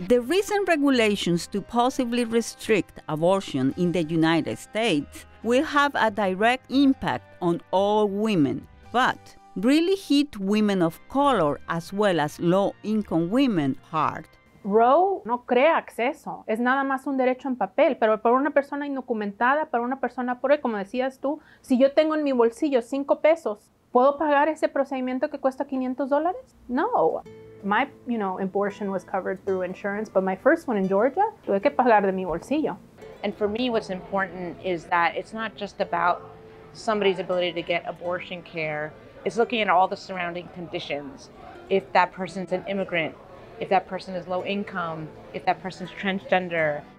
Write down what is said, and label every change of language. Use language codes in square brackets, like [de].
[en] The recent regulations to possibly restrict abortion in the United States will have a direct impact on all women, but really hit women of color as well as low-income women hard. [es] Roe no crea acceso. Es nada más un derecho en papel, pero para una persona indocumentada, para una persona pobre, como decías tú, si yo tengo en mi bolsillo $5, ¿puedo pagar ese procedimiento que cuesta $500? No. [en] My, you know, abortion was covered through insurance, but my first one in Georgia, [es] tuve que pagar de mi bolsillo. [en] And for me, what's important is that it's not just about somebody's ability to get abortion care. It's looking at all the surrounding conditions. If that person's an immigrant, if that person is low income, if that person's transgender.